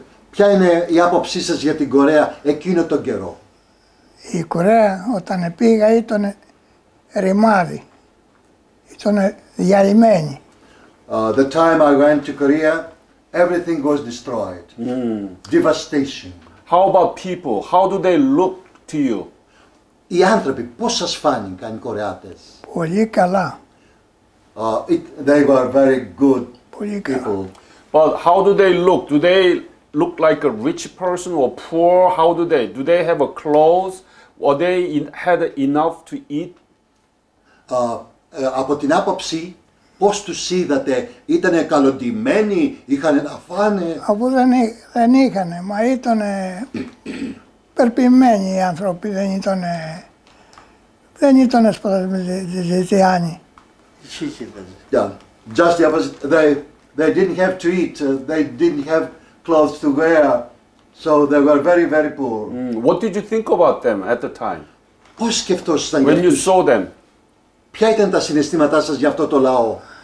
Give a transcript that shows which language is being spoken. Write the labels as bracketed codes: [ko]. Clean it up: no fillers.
[el] Ποια είναι η άποψή σας για την Κορέα εκείνο τον καιρό? Η Κορέα, όταν πήγα, ήταν ρημάδι. Ήταν διαλυμένη. [en] The time I went to Korea, everything was destroyed. Mm. Devastation. How about people? How do they look to you? [el] Οι άνθρωποι, πώς σας φάνηκαν οι Κορεάτες? Πολύ καλά. [en] They were very good people. But how do they look? Do they look like a rich person or poor? How do they? Do they have a clothes? Or they had enough to eat? [el] Από την άποψη, πώς τους είδατε, ήτανε καλοντυμένοι, είχανε να φάνε? Αφού δεν είχανε, μα ήτανε περπημένοι οι άνθρωποι, δεν ήτανε σπαθασμένοι ζητιάνοι. [en] Yeah, just the opposite. They didn't have to eat, they didn't have clothes to wear, so they were very, very poor. Mm. What did you think about them at the time? [el] Πώς σκεφτόσασταν για... [en] When you saw them. [el] Ποια ήταν τα συναισθήματά σας για αυτό το λαό?